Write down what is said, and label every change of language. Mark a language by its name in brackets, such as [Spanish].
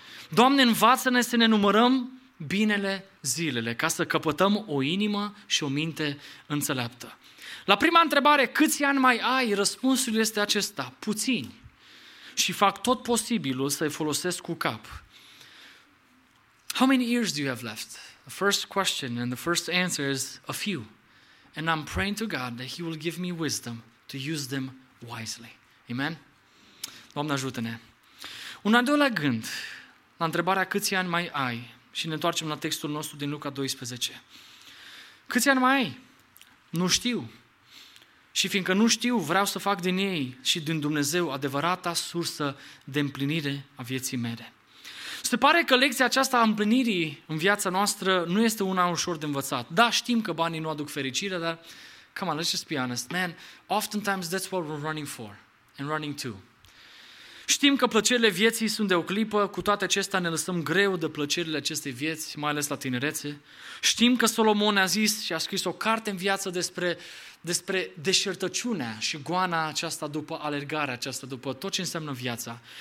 [Romanian] Doamne, învață-ne să ne numărăm binele zilele, ca să căpătăm o inimă și o minte înțeleaptă. La prima întrebare, câți ani mai ai? Răspunsul este acesta, puțini. Și fac tot posibilul să-i folosesc cu cap. [English] How many years do you have left? The first question and the first answer is a few. And I'm praying to God that He will give me wisdom to use them wisely. [Romanian] Amen? Doamne, ajută-ne! Un al doilea gând, la întrebarea câți ani mai ai? Și ne întoarcem la textul nostru din Luca 12. Câți ani mai ai? Nu știu. Și fiindcă nu știu, vreau să fac din ei și din Dumnezeu adevărata sursă de împlinire a vieții mele. Se pare că lecția aceasta a împlinirii în viața noastră nu este una ușor de învățat. Da, știm că banii nu aduc fericire, dar, [English] come on, let's just be honest. Man, oftentimes that's what we're running for and running to. [Romanian] Știm că plăcerile vieții sunt de o clipă, cu toate acestea ne lăsăm greu de plăcerile acestei vieți, mai ales la tinerețe. Știm că Solomon a zis și a scris o carte în viață despre deșertăciunea și goana aceasta după alergarea aceasta, după tot ce înseamnă viața.